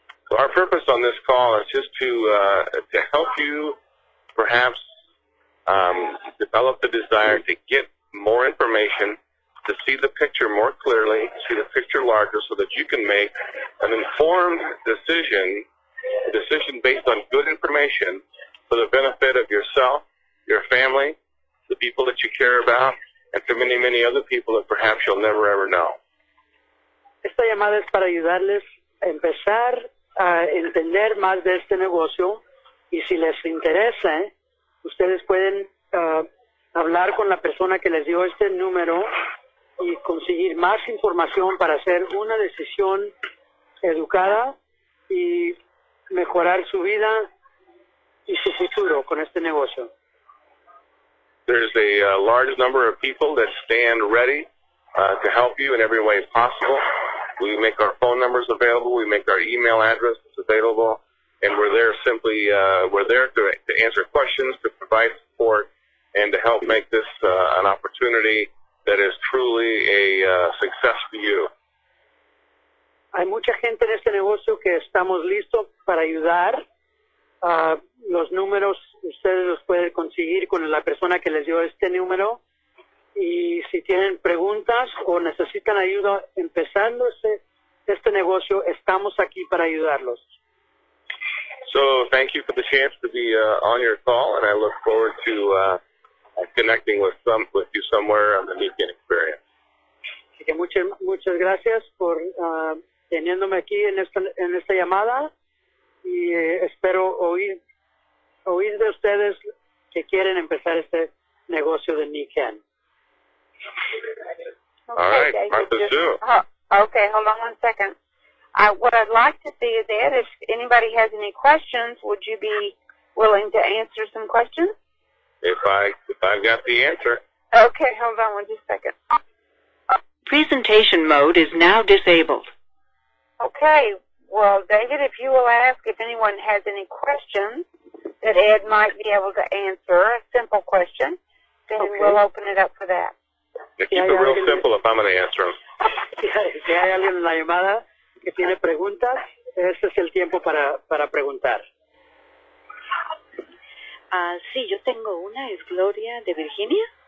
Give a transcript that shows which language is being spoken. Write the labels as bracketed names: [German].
[English] So our purpose on this call is just to help you perhaps develop the desire to get more information, to see the picture more clearly, see the picture larger, so that you can make an informed decision, a decision based on good information for the benefit of yourself, your family, the people that you care about, and for many, many other people that perhaps you'll never, ever know. [Spanish] Esta llamada es para ayudarles a empezar a entender más de este negocio, y si les interesa, ustedes pueden hablar con la persona que les dio este número y conseguir más información para hacer una decisión educada y mejorar su vida y su futuro con este negocio. [English] There's a large number of people that stand ready to help you in every way possible. We make our phone numbers available, we make our email addresses available, and we're there to answer questions, to provide support, and to help make this an opportunity that is truly a success for you. [Spanish] Hay mucha gente en este negocio que estamos listos para ayudar. Los números ustedes los pueden conseguir con la persona que les dio este número. Y si tienen preguntas o necesitan ayuda empezando este negocio, estamos aquí para ayudarlos. [English] So, thank you for the chance to be on your call, and I look forward to connecting with you somewhere on the LinkedIn experience. [Spanish] Así que muchas gracias por teniéndome aquí en esta llamada, y espero oír de ustedes que quieren empezar este negocio de LinkedIn. [English] Okay, hold on one second. What I'd like to see is that if anybody has any questions, would you be willing to answer some questions? If I've got the answer. Okay, hold on one just a second. Presentation mode is now disabled. Okay, well, David, if you will ask if anyone has any questions that Ed might be able to answer, a simple question, then okay, we'll open it up for that. Keep it real simple if I'm going to answer them. [Spanish] Si hay alguien en la llamada que tiene preguntas, este es el tiempo para preguntar. Sí, yo tengo una. Es Gloria de Virginia.